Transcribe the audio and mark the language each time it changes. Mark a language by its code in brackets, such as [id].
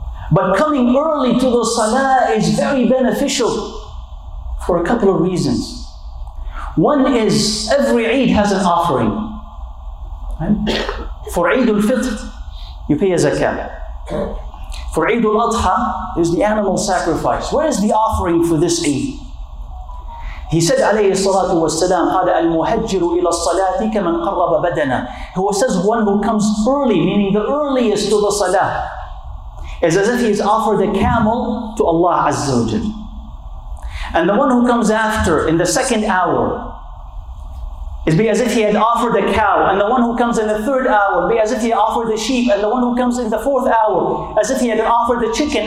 [en] But coming early to the salah is very beneficial for a couple of reasons. One is every Eid has an offering. Right? For Eid al-Fitr, you pay a zakah. For Eid al-Adha, there's the animal sacrifice. Where is the offering for this Eid? He said, [ar] عليه الصلاة والسلام, هذا المهجر إلى الصلاة كمن قرب بدنا. [en] Who says one who comes early, meaning the earliest to the salah, is as if he has offered a camel to Allah Azza wa Jal. And the one who comes after, in the second hour, is be as if he had offered a cow. And the one who comes in the third hour, be as if he offered the sheep. And the one who comes in the fourth hour, as if he had offered the chicken.